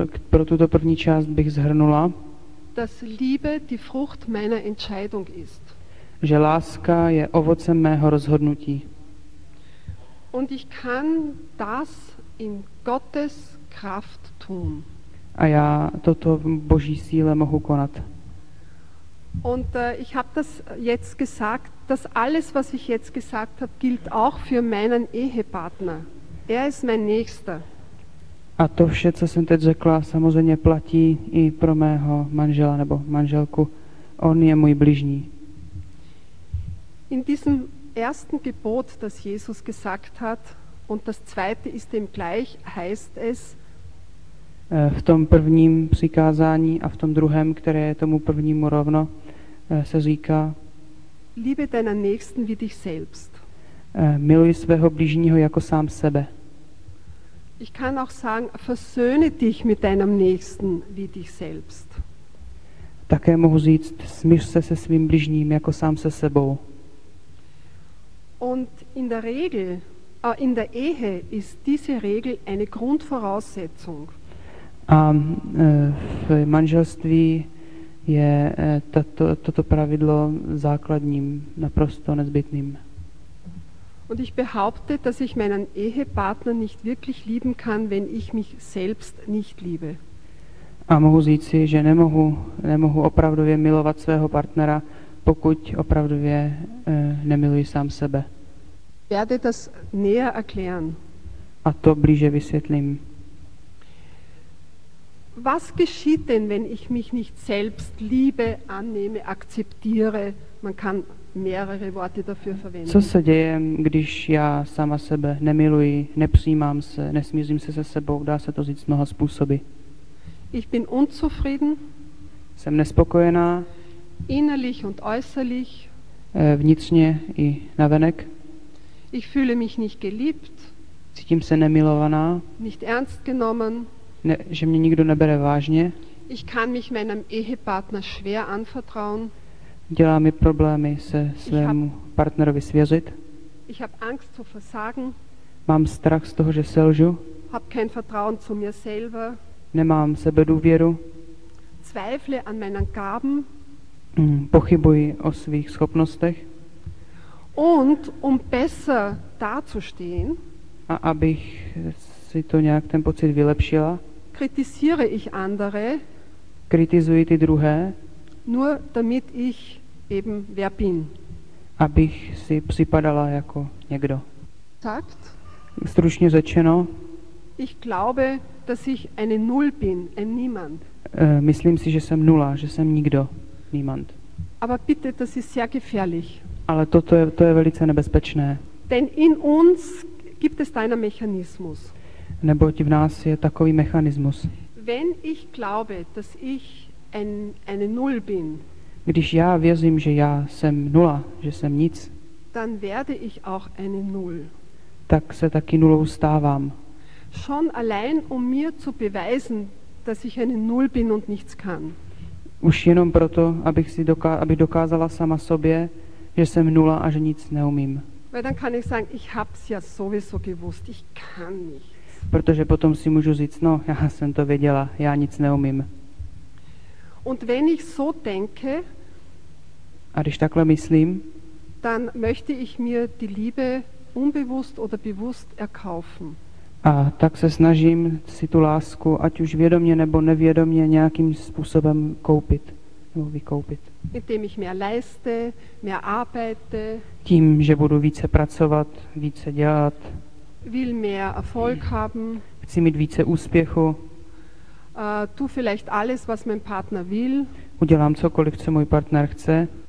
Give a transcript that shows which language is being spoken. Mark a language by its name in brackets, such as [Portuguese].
[Czech] pro tuto první část bych zhrnula, [German] dass Liebe die Frucht meiner Entscheidung ist. [Czech] Že láska je ovocem mého rozhodnutí. [German] Und ich kann das in Gottes Kraft tun. [Czech] A já toto v Boží síle mohu konat. [German] Und ich habe das jetzt gesagt, dass alles, was ich jetzt gesagt habe, gilt auch für meinen Ehepartner. Er ist mein Nächster. [Czech] A to vše, co jsem teď řekla, samozřejmě platí i pro mého manžela nebo manželku. On je můj bližní. [German] In diesem ersten Gebot, das Jesus gesagt hat, und das zweite ist dem gleich, heißt es, [Czech] v tom prvním přikázání a v tom druhém, které je tomu prvnímu rovno, se říká: [German] Liebe deinen Nächsten wie dich selbst. [Czech] Miluj svého bližního jako sám sebe. [German] Ich kann auch sagen, versöhne dich mit deinem Nächsten wie dich selbst. [Czech] Také mohu říct, smiř se se svým bližním jako sám se sebou. [German] Und in der Regel, in der Ehe ist diese Regel eine Grundvoraussetzung. [Czech] A v manželství je toto pravidlo základním, naprosto nezbytným. [German] Und ich behaupte, dass ich meinen Ehepartner nicht wirklich lieben kann, wenn ich mich selbst nicht liebe. [Czech] A mohu říci, že nemohu opravdově milovat svého partnera, pokud opravdově nemiluji sám sebe. [German] Werde das näher erklären. [Czech] A to blíže vysvětlím. [German] Was geschieht denn, wenn ich mich nicht selbst liebe, annehme, akzeptiere? Man kann mehrere Worte dafür verwenden. [Czech] Co se děje, když já sama sebe nemiluji, nepřijímám se, nesmířím se se sebou, dá se to říct mnoha způsoby. [German] Ich bin unzufrieden. [Czech] Jsem nespokojená. [German] Innerlich und äußerlich. [Czech] Vnitřně i navenek. [German] Ich fühle mich nicht geliebt. [Czech] Cítím se nemilovaná. [German] Nicht ernst genommen. [Czech] Ne, že mě nikdo nebere vážně. [German] Ich kann mich meinem Ehepartner schwer anvertrauen. [Czech] Dělá mi problémy se svému partnerovi svěřit. [German] Ich hab Angst zu versagen. [Czech] Mám strach z toho, že selžu. [German] Hab kein Vertrauen zu mir selber. [Czech] Nemám sebedůvěru. [German] Zweifle an meinen Gaben. [Czech] Pochybuji o svých schopnostech. [German] Und um besser dazustehen. [Czech] A abych si to nějak ten pocit vylepšila. [German] Kritisiere ich andere. [Czech] Kritizuji ty druhé. [German] Nur damit ich eben wer bin. [Czech] Abych si připadala jako někdo. [German] Sagt. [Czech] Stručně řečeno. [German] Ich glaube, dass ich eine Null bin, ein Niemand. [Czech] Myslím si, že jsem nula, že jsem nikdo, niemand. [German] Aber bitte, das ist sehr gefährlich. [Czech] Ale to je velice nebezpečné. [German] Denn in uns gibt es einen Mechanismus. [Czech] Neboť v nás je takový mechanismus. [German] Wenn ich glaube, dass ich eine Null bin. [Czech] Když já věřím, že já jsem nula, že jsem nic. [German] Dann werde ich auch eine Null. [Czech] Tak se taky nulou stávám. [German] Schon allein um mir zu beweisen, dass ich eine Null bin und nichts kann. [Czech] Už jenom proto, abych dokázala sama sobě, že jsem nula a že nic neumím. [German] Weil dann kann ich sagen, ich hab's ja sowieso gewusst, ich kann nicht. [Czech] Protože potom si můžu říct, no, já jsem to věděla, já nic neumím. [German] Und wenn ich so denke, [Czech] a když takhle myslím, [German] dann möchte ich mir die Liebe unbewusst oder bewusst erkaufen. [Czech] A tak se snažím si tu lásku, ať už vědomě nebo nevědomě, nějakým způsobem koupit nebo vykoupit. [German] Indem ich mehr leiste, mehr arbeite. [Czech] Tím, že budu více pracovat, více dělat. [German] Will mehr Erfolg haben. [Czech] Chci mít více úspěchu. [German] Tu vielleicht alles, was mein Partner will. [Czech] Udělám cokoliv, co můj partner chce.